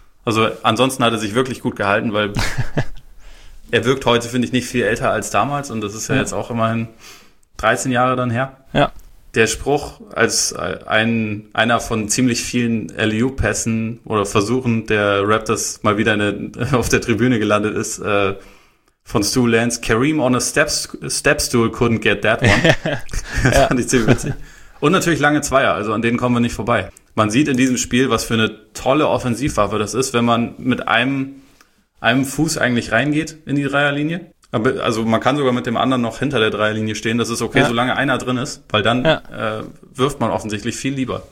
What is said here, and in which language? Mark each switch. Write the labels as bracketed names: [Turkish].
[German] Also ansonsten hat er sich wirklich gut gehalten, weil er wirkt heute, finde ich, nicht viel älter als damals und das ist ja jetzt auch immerhin 13 Jahre dann her. Der Spruch als einer von ziemlich vielen Alley-oop-Pässen oder Versuchen der Raptors mal wieder auf der Tribüne gelandet ist, [English] von Stu Lance, Kareem on a Stepstool couldn't get that one. [German] Das fand ich ziemlich witzig. Und natürlich lange Zweier, also an denen kommen wir nicht vorbei. Man sieht in diesem Spiel, was für eine tolle Offensivwaffe das ist, wenn man mit einem Fuß eigentlich reingeht in die Dreierlinie. Also man kann sogar mit dem anderen noch hinter der Dreierlinie stehen. Das ist okay, solange einer drin ist, weil dann wirft man offensichtlich viel lieber.